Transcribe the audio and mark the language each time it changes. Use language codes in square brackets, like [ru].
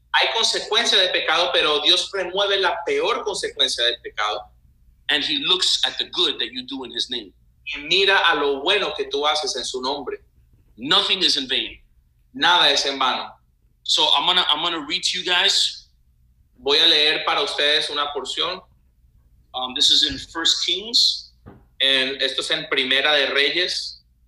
[es] Hay consecuencia de pecado, pero Dios remueve la peor consecuencia del pecado. [en] And he looks at the good that you do in his name. [es] Y mira a lo bueno que tú haces en su nombre. [en] Nothing is in vain. [es] Nada es en vano. [en] So I'm gonna read to you guys. [es] Voy a leer para ustedes una porción. [en] This is in 1 Kings. [es] Esto es en Primera de Reyes.